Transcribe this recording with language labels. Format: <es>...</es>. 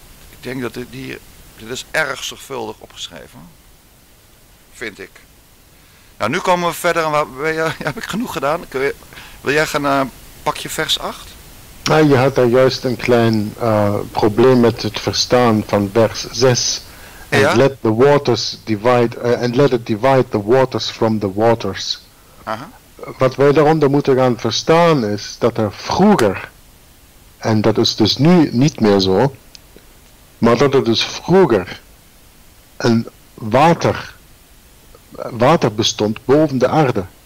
<nl>Ik denk dat dit is erg zorgvuldig opgeschreven. Vind ik. Nou, nu komen we verder. Heb ik genoeg gedaan? Wil jij gaan pakje vers 8? Ja, je had daar juist een klein probleem met het verstaan van vers 6. Ja?</nl> <en>And let the waters divide, and let it divide the waters from the waters. Aha.</en> <nl>Wat wij daaronder moeten gaan verstaan is dat er vroeger, en dat is dus nu niet meer zo, maar dat er dus vroeger een water bestond boven de aarde.</nl>